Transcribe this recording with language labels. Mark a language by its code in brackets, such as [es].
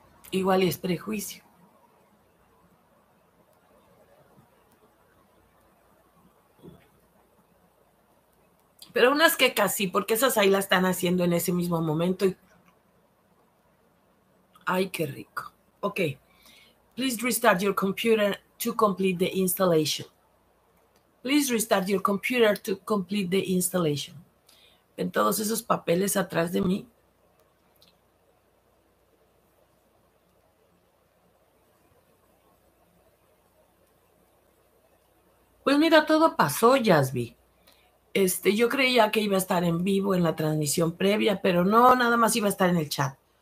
[es] Igual y es prejuicio. Pero unas que casi, porque esas ahí las están haciendo en ese mismo momento. Y... Ay, qué rico. Ok. [en] Please restart your computer to complete the installation. Please restart your computer to complete the installation. [es] ¿Ven todos esos papeles atrás de mí? Pues mira, todo pasó, Yasby. Yo creía que iba a estar en vivo en la transmisión previa, pero no, nada más iba a estar en el chat.